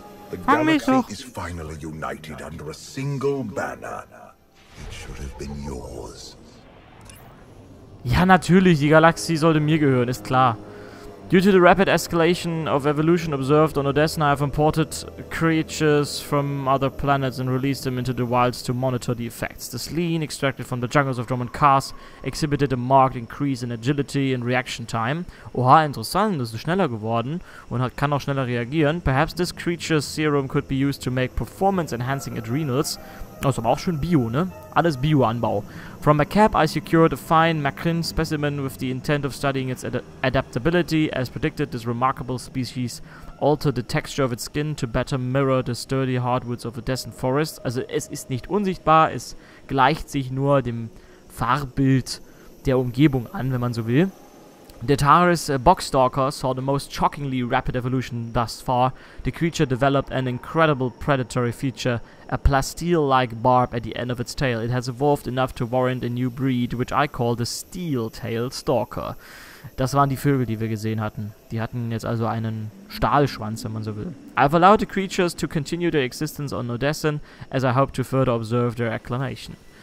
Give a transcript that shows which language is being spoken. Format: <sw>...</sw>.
<en>The galaxy is finally united under a single banner. It should have been yours.</en> <de>Ja, natürlich, die Galaxie sollte mir gehören, ist klar.</de> <en>Due to the rapid escalation of evolution observed on Odessna, I have imported creatures from other planets and released them into the wilds to monitor the effects. The Sleen, extracted from the jungles of Roman Cars, exhibited a marked increase in agility and reaction time.</en> <de>Oha, interessant, das ist schneller geworden und kann auch schneller reagieren.</de> <en>Perhaps this creature's serum could be used to make performance-enhancing adrenals.</en> <de>Das ist aber auch schön Bio, ne? Alles Bio-Anbau.</de> <en>From a cap, I secured a fine Macrin specimen with the intent of studying its adaptability. As predicted, this remarkable species altered the texture of its skin to better mirror the sturdy hardwoods of the Descent Forest.</en> <de>Also es ist nicht unsichtbar, es gleicht sich nur dem Farbbild der Umgebung an, wenn man so will.</de> <en>The Taris Boxstalker saw the most shockingly rapid evolution thus far. The creature developed an incredible predatory feature, a plasteel-like barb at the end of its tail. It has evolved enough to warrant a new breed, which I call the Steel-Tail Stalker.</en> <de>Das waren die Vögel, die wir gesehen hatten. Die hatten jetzt also einen Stahlschwanz, wenn man so will.</de> <en>I've allowed the creatures to continue their existence on Odessen, as I hope to further observe their acclimation.</en>